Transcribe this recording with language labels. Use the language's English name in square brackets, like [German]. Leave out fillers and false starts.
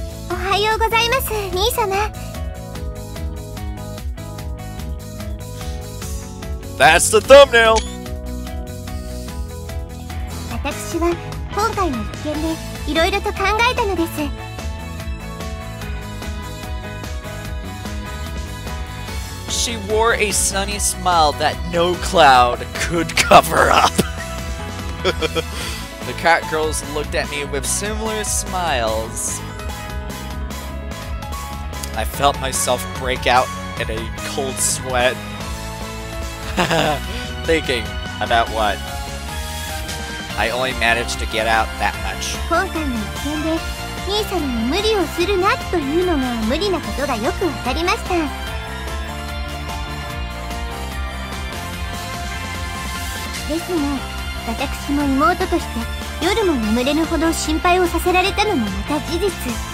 [Japanese] おはようございます、兄様。 [English] That's the thumbnail! [Japanese] 私は今回の実験でいろいろと考えたのです。 [English] She wore a sunny smile that no cloud could cover up. The cat girls looked at me with similar smiles. I felt myself break out in a cold sweat. Thinking about what? I only managed to get out that much. [Japanese] 今回の実験で、兄さんに無理をするなというのが無理なことがよくわかりました。ですが、私も妹として夜も眠れぬほど心配をさせられたのもまた事実。